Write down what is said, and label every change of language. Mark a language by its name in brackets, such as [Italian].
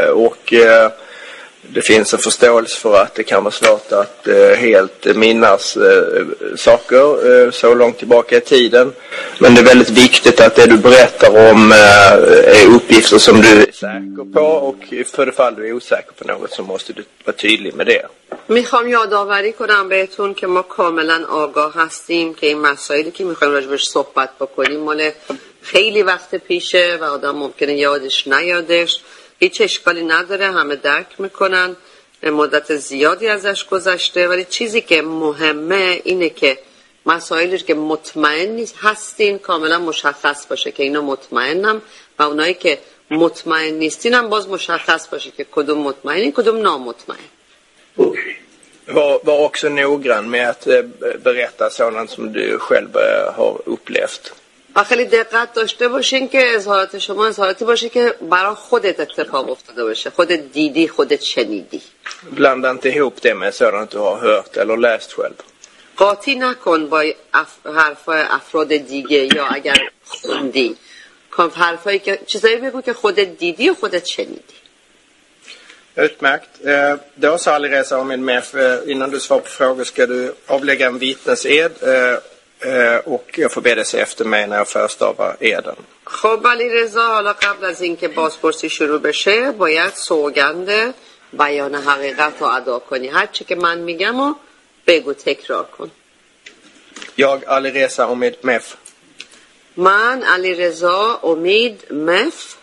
[Swedish] Och det finns en förståelse för att det kan vara svårt att helt minnas saker så långt tillbaka i tiden. Men det är väldigt viktigt att det du berättar om är uppgifter som du är säker på. Och för det fall du är osäker på något så måste du vara tydlig med det. [Persian] میخوام یادآوری کنم بهتون که ما کاملا آگاه هستیم که این مسائلی که میخوایم راجبش صحبت بکنیم مال خیلی وقت پیشه و آدم ممکنه یادش نیادش. هیچ اشکالی نداره، همه درک میکنن مدت زیادی ازش گذشته، ولی چیزی که مهمه اینه که مسائلی که مطمئن هستین کاملا مشخص باشه که اینو مطمئنم، و اونایی که مطمئن نیستین هم باز مشخص باشه که کدوم مطمئنی کدوم نامطمئن. [Swedish] Var också noggrann med att berätta sådant som du själv har upplevt. [Persian] خیلی دقت داشته باشین که اظهارات شما اظهاراتی باشه که برای خودت اتفاق افتاده باشه، خودت دیدی، خودت شنیدی. [Swedish] Blanda inte ihop det med sådant du har hört eller läst själv. [Persian] قاطی نکن با حرفای افراد دیگه یا اگر خوندی. حرفایی که چیزایی بگو که خودت دیدی و خودت شنیدی. [Swedish] Utmärkt. Då sa Alireza och min MEF, innan du svarar på frågor ska du avlägga en vittnesed och jag får be dig se efter mig när jag förstavar eden. [Persian] خب Alireza, حالا قبل از اینکه بازپرسی شروع بشه باید سوگند بیان حقیقت رو ادا کنی. هر چی که من میگم رو بگو، تکرار کن. [Swedish] Jag Alireza och min MEF. [Persian] من Alireza och min MEF.